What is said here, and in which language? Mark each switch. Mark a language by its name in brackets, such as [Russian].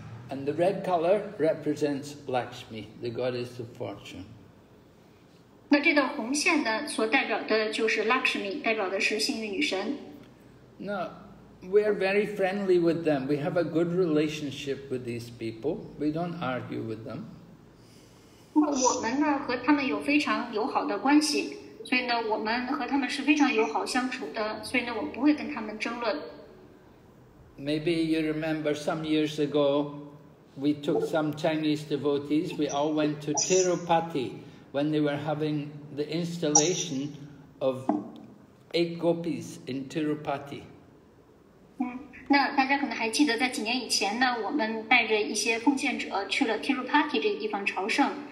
[English] And the red color represents Lakshmi, the goddess of fortune. [Chinese] 那这道红线呢，所代表的就是 Lakshmi， 代表的是幸运女神。 [English] No, we are very friendly with them. We have a good relationship with these people. We don't argue with them. [Chinese] 那我们呢，和他们有非常友好的关系，所以呢，我们和他们是非常友好相处的，所以呢，我们不会跟他们争论。 [English] Maybe you remember some years ago. We took some Chinese devotees, we all went to Tirupati when they were having the installation of 8 gopis in Tirupati. [Chinese] 那大家可能还记得在几年以前呢，我们带着一些奉献者去了 Tirupati 这个地方朝圣。